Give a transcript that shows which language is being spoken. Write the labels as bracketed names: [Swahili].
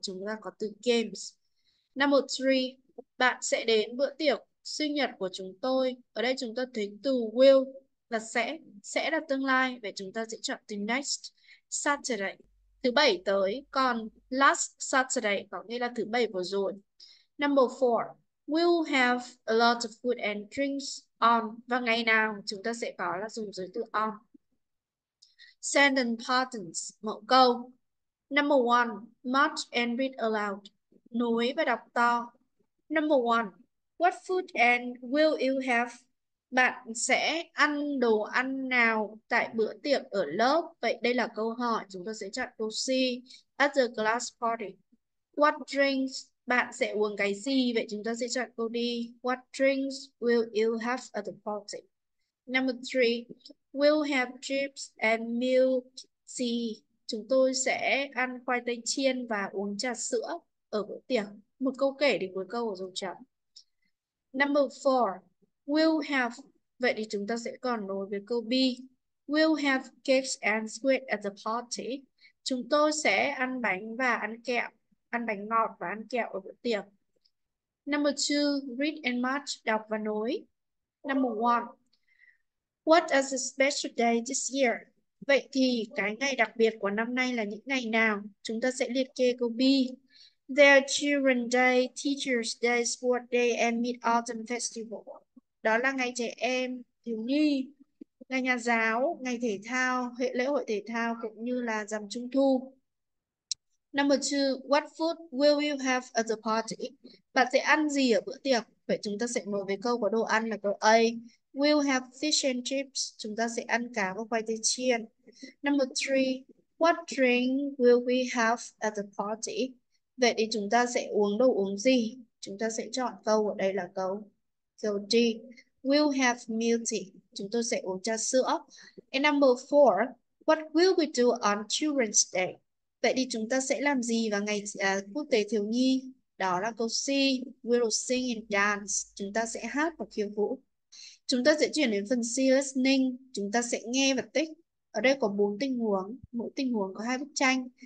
[Vietnamese] Chúng ta có từ games. Number 3, bạn sẽ đến bữa tiệc sinh nhật của chúng tôi. Ở đây chúng ta thấy từ will là sẽ là tương lai. Vậy chúng ta sẽ chọn từ [English] next Saturday, [Vietnamese] thứ bảy tới. Còn [English] last Saturday [Vietnamese] có nghĩa là thứ bảy vừa rồi. [English] Number 4, we'll have a lot of food and drinks on. [Vietnamese] Và ngày nào chúng ta sẽ có là dùng giới từ on. [English] Sentence patterns, [Vietnamese] mẫu câu. [English] Number 1, march and read aloud. [Vietnamese] Nói và đọc to. [English] Number 1, what food and will you have? [Vietnamese] Bạn sẽ ăn đồ ăn nào tại bữa tiệc ở lớp? Vậy đây là câu hỏi. Chúng ta sẽ chọn câu C, [English] at the class party. What drinks? [Vietnamese] Bạn sẽ uống cái gì? Vậy chúng ta sẽ chọn câu D, [English] what drinks will you have at the party? Number 3, we'll have chips and milk tea. [Vietnamese] Chúng tôi sẽ ăn khoai tây chiên và uống trà sữa ở bữa tiệc. Một câu kể đến cuối câu rồi chấm. [English] Number 4, we'll have. [Vietnamese] Vậy thì chúng ta sẽ còn nối với câu B. [English] We'll have cakes and sweets at the party. [Vietnamese] Chúng tôi sẽ ăn bánh và ăn kẹo, ăn bánh ngọt và ăn kẹo ở bữa tiệc. [English] Number 2, read and march, [Vietnamese] đọc và nối. [English] Number 1, what is a special day this year? [Vietnamese] Vậy thì cái ngày đặc biệt của năm nay là những ngày nào? Chúng ta sẽ liệt kê câu B. [English] There are Children's Day, Teacher's Day, Sports Day and Mid-Autumn Festival. [Vietnamese] Đó là ngày trẻ em, thiếu nhi, ngày nhà giáo, ngày thể thao, hệ lễ hội thể thao cũng như là rằm trung thu. [English] Number 2, what food will you have at the party? [Vietnamese] Bạn sẽ ăn gì ở bữa tiệc? Vậy chúng ta sẽ nối với câu có đồ ăn là câu A. [English] We'll have fish and chips. [Vietnamese] Chúng ta sẽ ăn cá và khoai tây chiên. [English] Number 3, what drink will we have at the party? [Vietnamese] Vậy thì chúng ta sẽ uống đồ uống gì? Chúng ta sẽ chọn câu ở đây là câu D. [English] We'll have milk tea. [Vietnamese] Chúng tôi sẽ uống trà sữa. [English] And number 4, what will we do on Children's Day? [Vietnamese] Vậy thì chúng ta sẽ làm gì vào ngày quốc tế thiếu nhi? Đó là câu C. [English] We'll sing and dance. [Vietnamese] Chúng ta sẽ hát và khiêu vũ. Chúng ta sẽ chuyển đến phần C, listening. Chúng ta sẽ nghe và tích. Ở đây có 4 tình huống, mỗi tình huống có 2 bức tranh.